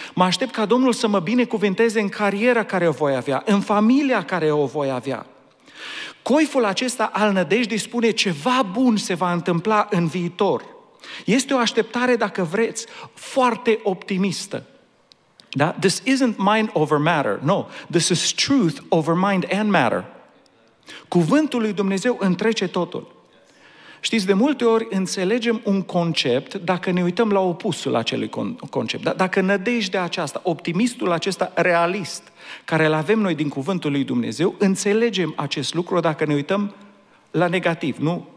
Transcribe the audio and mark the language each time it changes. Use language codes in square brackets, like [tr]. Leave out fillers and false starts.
[ro] Mă aștept ca Domnul să mă binecuvinteze în cariera care o voi avea, în familia care o voi avea. Coiful acesta al nădejdii spune ceva bun se va întâmpla în viitor. Este o așteptare, dacă vreți, foarte optimistă. Da? [en] This isn't mind over matter. No, this is truth over mind and matter. [ro] Cuvântul lui Dumnezeu întrece totul. Știți, de multe ori înțelegem un concept dacă ne uităm la opusul acelui concept. Dacă nădejdea aceasta, optimistul acesta realist, care îl avem noi din cuvântul lui Dumnezeu, înțelegem acest lucru dacă ne uităm la negativ, nu?